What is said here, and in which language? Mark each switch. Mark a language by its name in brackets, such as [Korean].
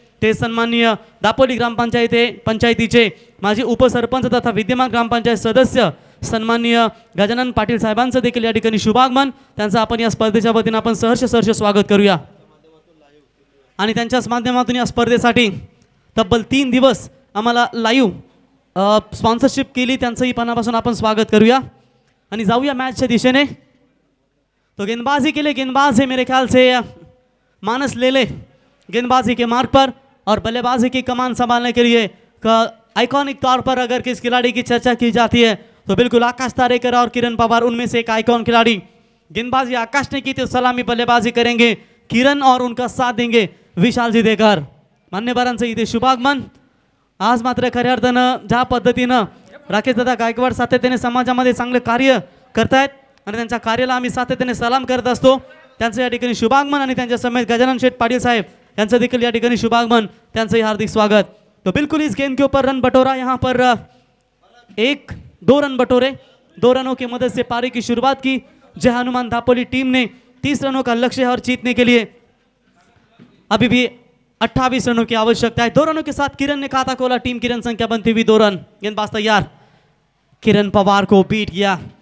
[Marathi] ते सन्माननीय दापोली ग्रामपंचायत पंचायतीचे माजी उपसरपंच तथा विद्यमान ग्रामपंचायत सदस्य सन्माननीय गजानन पाटील साहेबांचं देखील या ठिकाणी शुभागमन, त्यांचं आपण या स्पर्धेच्या वतीने आपण सहर्ष स्वागत करूया आणि त्यांच्याच माध्यमातून या स्पर्धेसाठी तब्बल 3 दिवस आम्हाला लाईव्ह स्पॉन्सरशिप केली त्यांचंही पणापासून आपण स्वागत करूया आणि जाऊया मॅचच्या दिशेने। [Hindi] तो गेंदबाजी केले गेंदबाज हे मेरे ख्याल से मानस लेले गेंदबाजी के मार्ग पर और बल्लेबाजी की कमान संभालने के लिए आइकॉनिक तौर पर अगर किस खिलाड़ी की चर्चा की जाती है तो बिल्कुल आकाश तारेकर और किरण पवार उनमें से एक आइकॉन खिलाड़ी। गेंदबाजी आकाश ने की तो सलामी बल्लेबाजी करेंगे किरण और उनका साथ देंगे विशाल जी देकर। [Marathi] मान्यवरांचं इथे शुभागमन। आज मात्र खऱ्या अर्थानं ज्या पद्धतीनं राकेश दादा गायकवाड सातत्याने समाजामध्ये चांगले कार्य करतायत आणि त्यांच्या कार्याला आम्ही सातत्याने सलाम करत असतो, त्यांचं या ठिकाणी शुभागमन आणि त्यांच्या समेत गजानन शेठ पाटील साहेब यांचं देखील या ठिकाणी शुभागमन, त्यांचंही हार्दिक स्वागत। [Hindi] तो बिल्कुल इस गेंद के ऊपर रन बटोरा, यहाँ पर 1-2 रन बटोरे, 2 रनों की मदद से पारी की शुरुआत की जय हनुमान दापोली टीम ने। 30 रनों का लक्ष्य है और जीतने के लिए अभी भी 28 रनों की आवश्यकता है। 2 रनों के साथ किरण ने खाता खोला, टीम किरण संख्या बनती हुई 2 रन। गेंदबाज तैयार, किरण पवार को बीट किया।